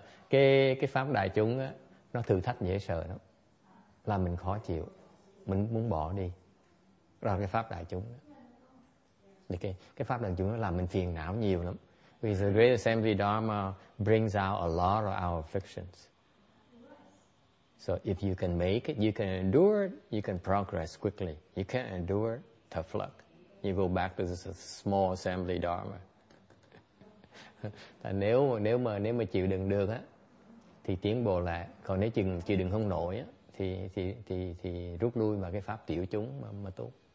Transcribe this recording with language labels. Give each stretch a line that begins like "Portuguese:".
Vietnamese: cái pháp đại chúng á, nó thử thách dễ sợ lắm. Làm mình khó chịu, mình muốn bỏ đi. Rồi cái pháp đại chúng. Cái pháp đại chúng nó làm mình phiền não nhiều lắm.
English: Because the Great Assembly Dharma brings out a lot of our afflictions. So if you can make it, you can endure it, you can progress quickly. You can't endure it, tough luck. You go back to this small assembly dharma.
Vietnamese: nếu mà chịu đựng được á, thì tiến bộ lại. Còn nếu chịu đựng không nổi á, thì rút lui vào cái pháp tiểu chúng mà tốt.